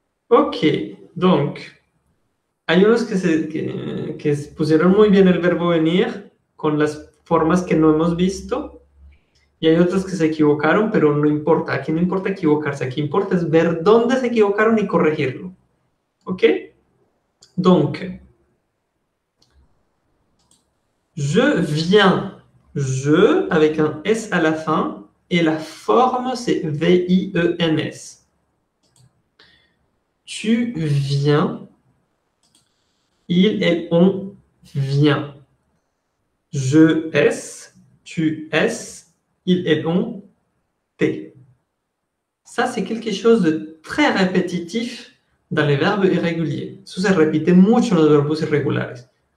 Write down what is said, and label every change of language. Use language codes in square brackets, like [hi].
[es] Ok, donc. Hay unos que pusieron muy bien el verbo venir con las formas que no hemos visto y hay otros que se equivocaron, pero no importa. Aquí no importa equivocarse, aquí importa es ver dónde se equivocaron y corregirlo. ¿Ok? [fr] Donc, je viens, je, avec un S à la fin, et la forme c'est V-I-E-N-S. Tu viens... Il, elle, on vient. Je s, tu s, il, elle, on t. Ça, c'est quelque chose de très répétitif dans les verbes irréguliers. [es] Eso se repite mucho en los verbos irregulares.